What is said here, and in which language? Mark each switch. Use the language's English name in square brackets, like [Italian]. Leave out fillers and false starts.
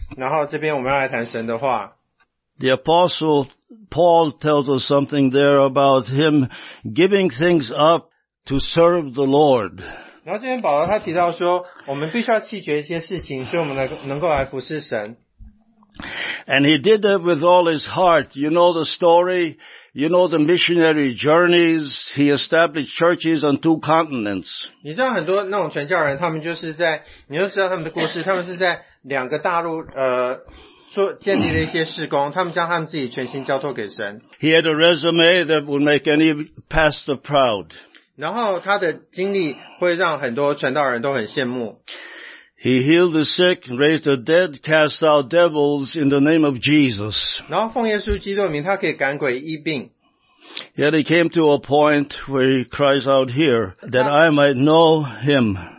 [Chinese] 腓立比书第三章，然后这边我们要来谈神的话。 [English] The apostle Paul tells us something there about him giving things up to serve the Lord. [Chinese] 然后这边保罗他提到说，我们必须要弃绝一些事情，所以我们能够来服侍神。 [English] And he did that with all his heart. You know the story. You know the missionary journeys. He established churches on 2 continents. [Chinese] 你知道很多那种传教人，他们就是在，你就知道他们的故事，他们是在两个大陆，建立了一些事工，他们将他们自己全心交托给神。 [English] He had a resume that would make any pastor proud. [Chinese] 然后他的经历会让很多传道人都很羡慕。 [English] He healed the sick, raised the dead, cast out devils in the name of Jesus. [Chinese] 然后奉耶稣基督的名，他可以赶鬼医病。 [English] Yet he came to a point where he cries out here, that I might know him.